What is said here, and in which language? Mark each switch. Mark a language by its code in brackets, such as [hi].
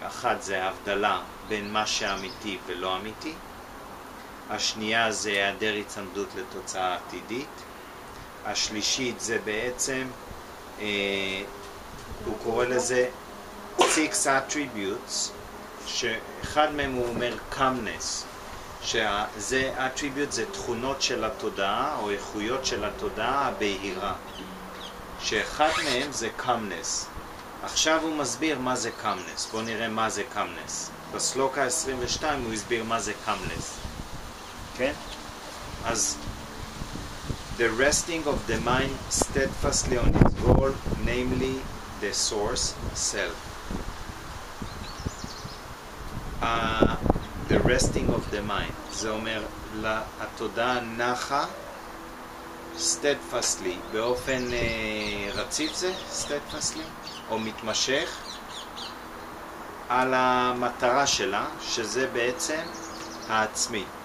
[he] אחת זה ההבדלה בין מה שאמיתי ולא אמיתי, השנייה זה היעדר הצמדות לתוצאה עתידית, השלישית זה בעצם הוא קורא לזה [en] six attributes, [he] שאחד מהם הוא אומר קמנס, שזה attribute, זה תכונות של התודעה או איכויות של התודעה הבהירה, שאחד מהם זה קמנס. עכשיו הוא מסביר מה זה קמנס, בוא נראה מה זה קמנס. בסלוק ה-22 הוא הסביר מה זה קמנס, כן? [en] אז the resting of the mind steadfastly on its goal, namely the source self. The resting of the mind, [he] זה אומר התודעה נחה steadfastly, באופן רציף, זה steadfastly או מתמשך, על המטרה שלה, שזה בעצם העצמי.